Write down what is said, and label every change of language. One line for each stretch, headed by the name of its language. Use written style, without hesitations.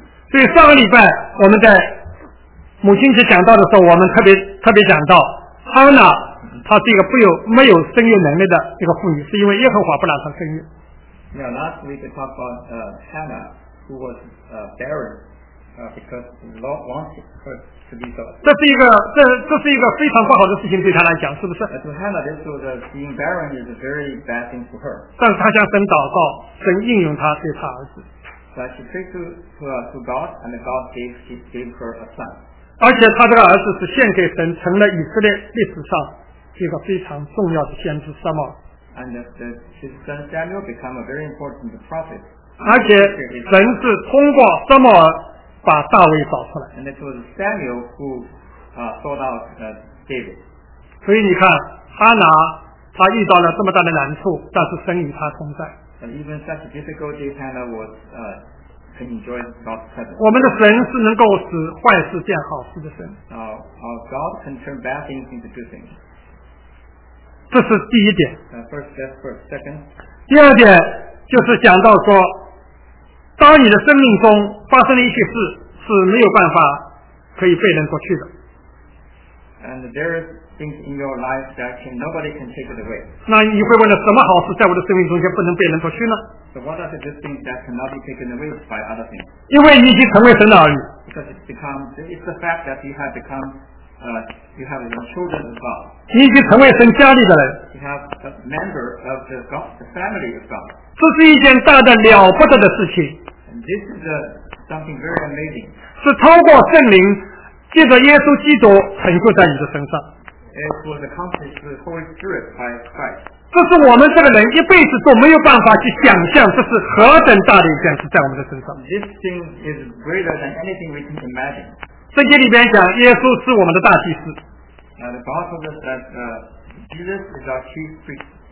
Chinese: 所以上个礼拜我们在母亲节讲到的时候，我们特别讲到哈娜，她是一个没有生育能力的一个妇女，是因为耶和华不让她生育。
English: Last week we talked about Hannah who was barren because the Lord wants her to be so.
Chinese: 这是一个非常不好的事情对她来讲，是不是？
English: To Hannah, this was being barren is a very bad thing for her.
Chinese: 但是她向神祷告，神应允她对她儿子。
English: But she prayed to God, and God gave her a son.
Chinese: 而且她这个儿子是献给神，成了以色列历史上一个非常重要的先知撒母耳。
English: And his son Samuel became a very important prophet.
Chinese: 而且神是通过撒母耳把大卫找出来。
English: And it was Samuel who sought out David.
Chinese: 所以你看哈拿他遇到了这么大的难处，但是神与他同在。
English: And even such a difficult day, Hannah was can enjoy God's presence.
Chinese: 我们的神是能够使坏事变好事的神。
English: Our God can turn bad things into good things.
Chinese: 这是第一点。
English: Second.
Chinese: 第二点就是讲到说当你的生命中发生了一些事是没有办法可以被人夺去的。
English: And there are things in your life that nobody can take it away.
Chinese: 那你会问了什么好事在我的生命中间不能被人夺去呢？
English: So what are the things that cannot be taken away by other things?
Chinese: 因为你已经成为神的儿女。
English: Because it's the fact that you have become, you have your children as God.
Chinese: 你已经成为神家里的人。
English: You have a member of the family of God.
Chinese: 这是一件大的了不得的事情。
English: This is something very amazing.
Chinese: 是透过圣灵，借着耶稣基督成就在你的身上。
English: It was accomplished with Holy Spirit by Christ.
Chinese: 这是我们这个人一辈子都没有办法去想象，这是何等大的一件事在我们的身上。
English: This thing is greater than anything we can imagine.
Chinese: 圣经里边讲，耶稣是我们的大祭司。
English: The Bible says that Jesus is our chief priest.